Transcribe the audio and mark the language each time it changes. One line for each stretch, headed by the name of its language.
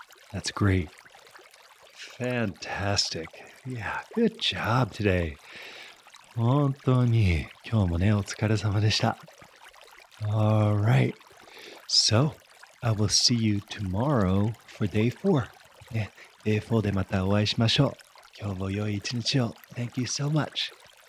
English: That's great. Fantastic. Yeah, good job today.
Japanese: 本当に今日もね、お疲れ様でした。
English: All right. So, I will see you tomorrow for day four.
Japanese: Day four でまたお会いしましょう。今日も良い一日を。
English: Thank you so much.